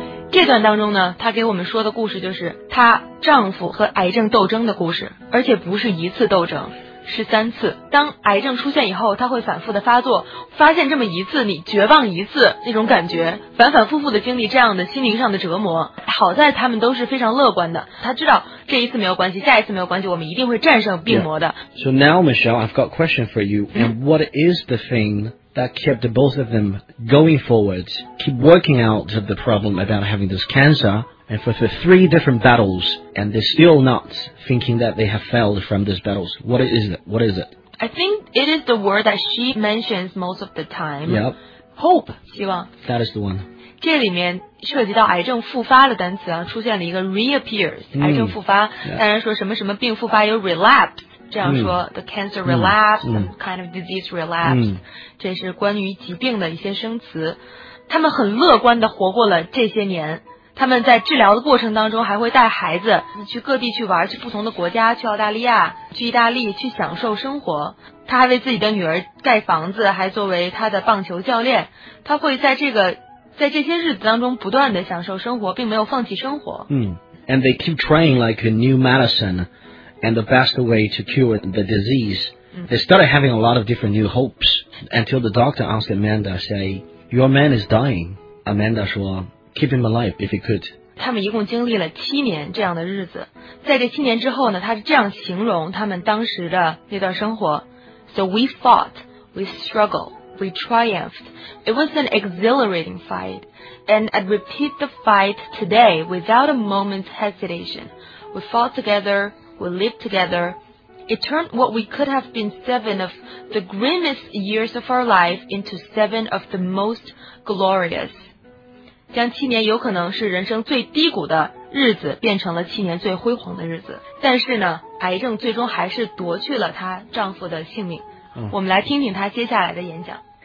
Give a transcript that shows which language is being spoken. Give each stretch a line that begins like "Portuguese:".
Chinese: 这段当中呢，她给我们说的故事就是她丈夫和癌症斗争的故事，而且不是一次斗争，是三次。当癌症出现以后，她会反复的发作，发现这么一次，你绝望一次，那种感觉，反反复复的经历这样的心灵上的折磨。好在他们都是非常乐观的，她知道这一次没有关系，下一次没有关系，我们一定会战胜病魔的。 Yeah.
English: So now, Michelle, I've got a question for you, and what is the thing? That kept the both of them going forward, keep working out of the problem about having this cancer, and for 3 different battles, and they're still not thinking that they have failed from these battles. What is it? What is it? I think it is the word that she mentions most of the time. Yep. Hope, 希望。 That is the one.
Chinese: 这里面涉及到癌症复发的单词啊，出现了一个 reappears,、癌症复发。 Yeah. 当然说什么什么病复发有 relapse,这样说、
English: the cancer relapse,、 some kind of disease relapse,、
Chinese: 这是关于疾病的一些生词。他们很乐观地活过了这些年，他们在治疗的过程当中还会带孩子去各地去玩，去不同的国家，去澳大利亚，去意大利，去享受生活。他还为自己的女儿盖房子，还作为他的棒球教练。他会在这些日子当中不断地享受生活，并没有放弃生活。
English: And they keep trying like a new medicine and the best way to cure the disease.、They started having a lot of different new hopes until the doctor asked Amanda, say, your man is dying. Amanda 说Keep him alive if he could.
Chinese: 他们一共经历了七年这样的日子，在这七年之后呢，他是这样形容他们当时的那段生活。
English: So we fought, we struggled, we triumphed. It was an exhilarating fight, and I'd repeat the fight today without a moment's hesitation. We fought together, we lived together. It turned what we could have been seven of the grimmest years of our life into seven of the most glorious.
Chinese: 将七年有可能是人生最低谷的日子变成了七年最辉煌的日子，但是呢，癌症最终还是夺去了她丈夫的性命。我们来听听她接下来的演讲。